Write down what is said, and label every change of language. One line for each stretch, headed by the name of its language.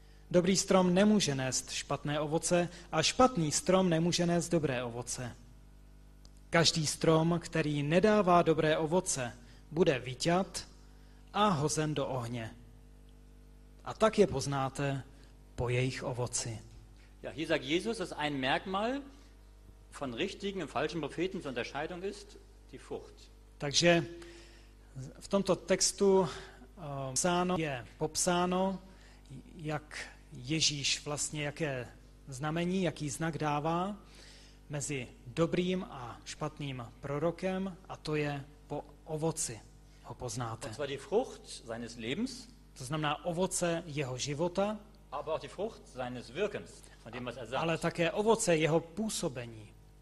Czech: Dobrý strom nemůže nést špatné ovoce a špatný strom nemůže nést dobré ovoce. Každý strom, který nedává dobré ovoce, bude vyťat a hozen do ohně. A tak je poznáte po jejich ovoci.
German: Ja, hier sagt Jesus, dass ein Merkmal von richtigen und falschen Propheten zur Unterscheidung ist die Frucht.
Czech: Takže v tomto textu je popsáno, jak Ježíš vlastně, jaké znamení, jaký znak dává mezi dobrým a špatným prorokem, a to je po ovoci ho poznáte.
German: Und zwar die Frucht seines Lebens,
Czech: to znamená ovoce jeho života,
German: aber auch die Frucht seines Wirkens, von dem, was er sagt.
Czech: Ale také ovoce jeho působení.